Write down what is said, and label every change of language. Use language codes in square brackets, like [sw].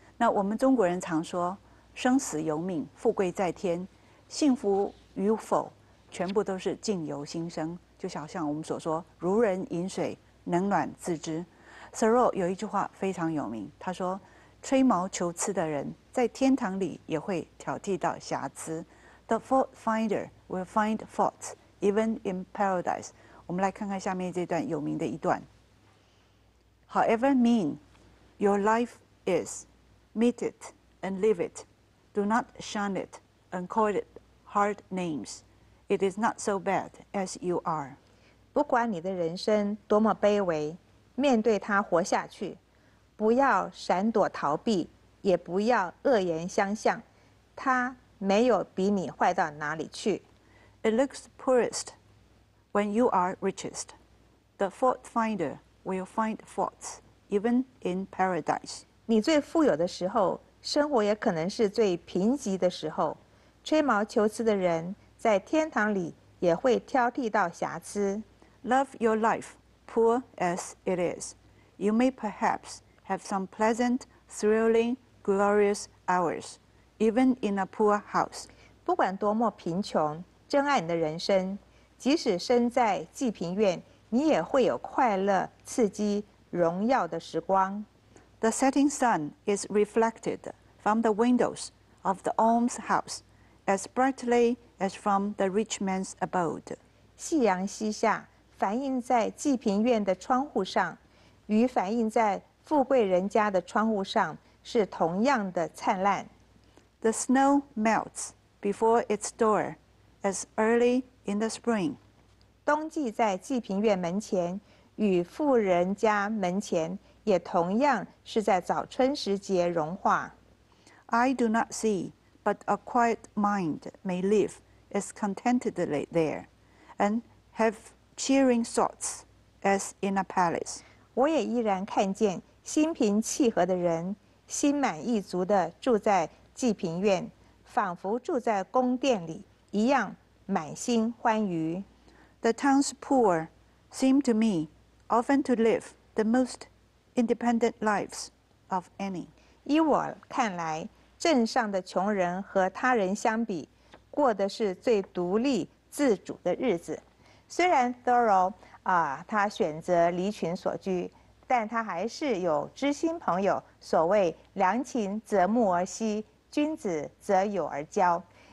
[zh] 那我们中国人常说，生死由命，富贵在天，幸福与否全部都是境由心生，就好像我们所说，如人饮水，冷暖自知。 Thoreau 有一句话非常有名，他说：“吹毛求疵的人在天堂里也会挑剔到瑕疵。” [en] The fault finder will find fault even in paradise。 [zh] 我们来看看下面这段有名的一段。 [en] However mean your life is, meet it and live it. Do not shun it and call it hard names. It is not so bad as you are. [zh] 不管你的人生多么卑微，面对它活下去，不要闪躲逃避，也不要恶言相向，它没有比你坏到哪里去。 [en] It looks poorest when you are richest. The fault finder will find faults even in paradise. [zh] 你最富有的时候，生活也可能是最贫瘠的时候。吹毛求疵的人在天堂里也会挑剔到瑕疵。 [en] Love your life, poor as it is. You may perhaps have some pleasant, thrilling, glorious hours, even in a poor house. [zh] 不管多么贫穷，珍爱你的人生，即使身在济贫院，你也会有快乐、刺激、荣耀的时光。 [en] The setting sun is reflected from the windows of the almshouse as brightly as from the rich man's abode. [zh] 夕阳西下，反映在济贫院的窗户上，与反映在富贵人家的窗户上是同样的灿烂。 [en] The snow melts before its door as early in the spring. [zh] 冬季在济贫院门前与富人家门前也同样是在早春时节融化。 [en] I do not see, but a quiet mind may live as contentedly there, and have cheering thoughts as in a palace. [zh] 我也依然看见心平气和的人，心满意足地住在济贫院，仿佛住在宫殿里一样，满心欢愉。 [en] The town's poor seem to me often to live the most independent lives of any. [zh] 依我看来，镇上的穷人和他人相比，过的是最独立自主的日子。虽然 Thoreau 他选择离群所居，但他还是有知心朋友。所谓良禽择木而栖，君子择友而交。